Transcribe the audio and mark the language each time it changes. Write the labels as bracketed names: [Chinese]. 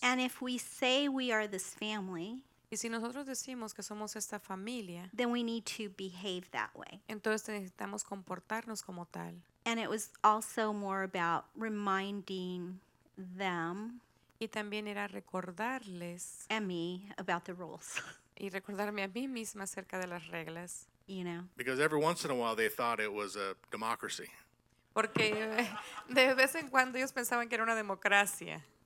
[English] And if we say we are this family, [Spanish] y si nosotros decimos que somos esta familia, [English] then we need to behave that way. [Spanish] Entonces necesitamos comportarnos como tal. [English] And it was also more about reminding them. [Spanish] Y también era recordarles a mí [English] about the rules. [Spanish] Y recordarme a mí misma acerca de las reglas. [English] You know. Because every once in a while they thought it was a democracy. [Spanish] Porque de vez en cuando ellos pensaban que era una democracia.